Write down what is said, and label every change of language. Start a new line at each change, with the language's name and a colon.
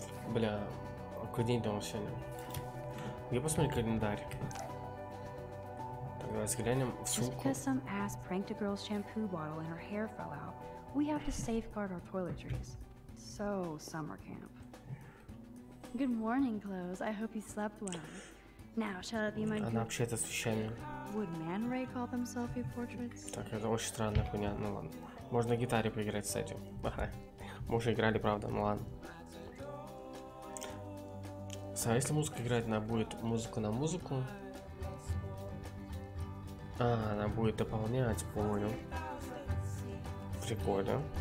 Russian: Бля, какой день дома сегодня? Я посмотрю календарь. Так, давай взглянем в сумку.
English: Just because some ass pranked a girl's shampoo bottle and her hair fell out, we have to safeguard our toiletries. So, summer camp. Good morning, Close. I hope you slept well. Now, shall it be my
Russian: она вообще это освещение.
English: Would Man Ray call them selfie portraits?
Russian: Так, это очень странная хуйня, ну ладно. Можно на гитаре поиграть с этим. Ага. Мы уже играли, правда, ну ладно. А если музыка играть, она будет музыку на музыку. А, она будет дополнять, понял. Прикольно.